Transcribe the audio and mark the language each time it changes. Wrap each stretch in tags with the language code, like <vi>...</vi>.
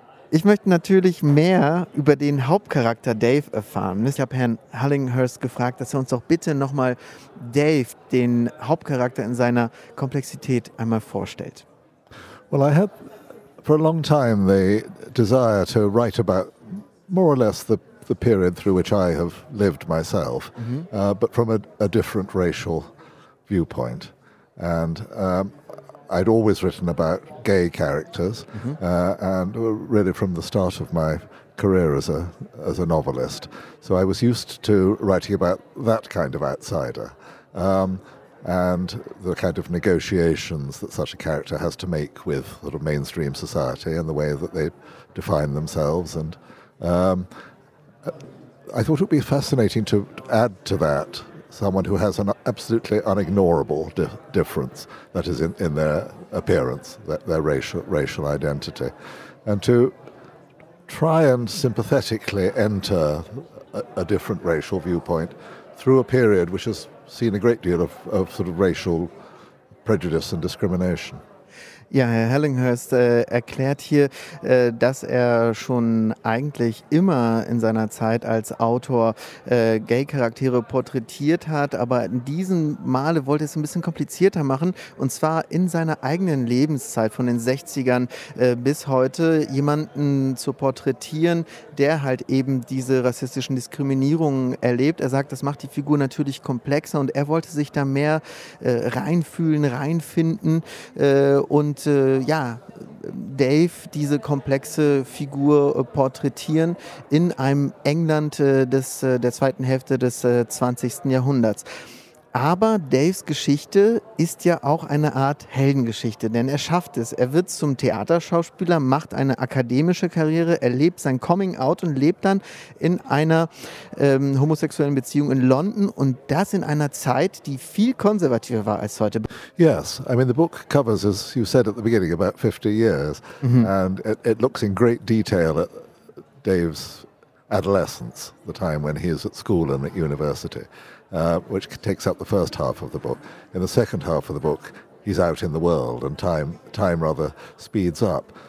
<de>Ich möchte natürlich mehr über den Hauptcharakter Dave erfahren. Ich habe Herrn Hellinghurst gefragt, dass er uns doch bitte nochmal Dave, den Hauptcharakter in seiner Komplexität, einmal vorstellt.</de> <en>Well, I have for a long time the desire to write about more or less the the period through which I have lived myself, but from a different racial viewpoint. And I'd always written about gay characters, and really from the start of my career as a novelist. So I was used to writing about that kind of outsider, and the kind of negotiations that such a character has to make with sort of mainstream society and the way that they define themselves. And I thought it would be fascinating to add to that someone who has an absolutely unignorable difference, that is, in their appearance, their racial identity, and to try and sympathetically enter a different racial viewpoint through a period which has seen a great deal of sort of racial prejudice and discrimination.</en> <de>Ja, Herr Hellinghurst erklärt hier, dass er schon eigentlich immer in seiner Zeit als Autor Gay-Charaktere porträtiert hat, aber in diesem Male wollte es ein bisschen komplizierter machen, und zwar in seiner eigenen Lebenszeit von den 60ern bis heute jemanden zu porträtieren, der halt eben diese rassistischen Diskriminierungen erlebt. Er sagt, das macht die Figur natürlich komplexer, und er wollte sich da mehr reinfühlen, reinfinden und Dave, diese komplexe Figur porträtieren in einem England der zweiten Hälfte des 20. Jahrhunderts. Aber Daves Geschichte ist ja auch eine Art Heldengeschichte, denn er schafft es. Er wird zum Theaterschauspieler, macht eine akademische Karriere, erlebt sein Coming Out und lebt dann in einer homosexuellen Beziehung in London, und das in einer Zeit, die viel konservativer war als heute.</de> <en>Yes, I mean the book covers, as you said at the beginning, about 50 years, and it looks in great detail at Dave's adolescence, the time when he is at school and at university. Which takes up the first half of the book. In the second half of the book, he's out in the world, and time rather speeds up.</en>